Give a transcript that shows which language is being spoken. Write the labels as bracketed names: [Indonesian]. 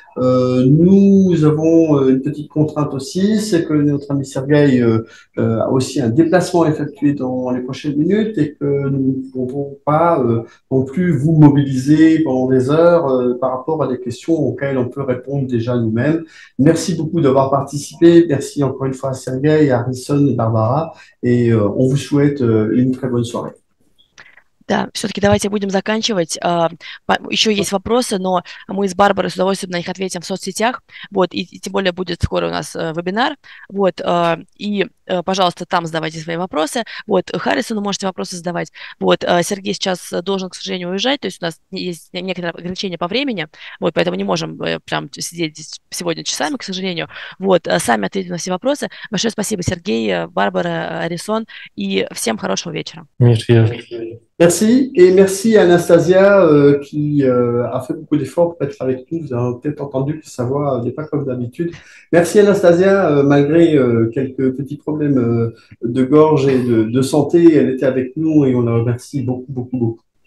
[French] Nous avons une petite contrainte aussi, c'est que notre ami Sergueï a aussi un déplacement à effectuer dans les prochaines minutes et que nous ne pouvons pas non plus vous mobiliser pendant des heures par rapport à des questions auxquelles on peut répondre déjà nous-mêmes. Merci beaucoup d'avoir participé. Merci encore une fois à Sergueï, à Harrison et Barbara. Et on vous souhaite une très bonne soirée. [Russian] Да, все-таки давайте будем заканчивать. Еще есть вопросы, но мы с Барбарой с удовольствием на них ответим в соцсетях. Вот, и тем более будет скоро у нас вебинар. Вот, и, пожалуйста, там задавайте свои вопросы. Вот, Харрисону можете вопросы задавать. Вот, Сергей сейчас должен, к сожалению, уезжать, то есть у нас есть некоторые ограничения по времени. Вот, поэтому не можем прям сидеть здесь сегодня часами, к сожалению. Вот, сами ответим на все вопросы. Большое спасибо, Сергей, Барбара, Арисон, и всем хорошего вечера. [French] Merci et merci à Anastasia qui a fait beaucoup d'efforts pour être avec nous. Vous avez peut-être entendu que sa voix n'est pas comme d'habitude. Merci Anastasia, malgré quelques petits problèmes de gorge et de santé, elle était avec nous et on la remercie beaucoup, beaucoup, beaucoup.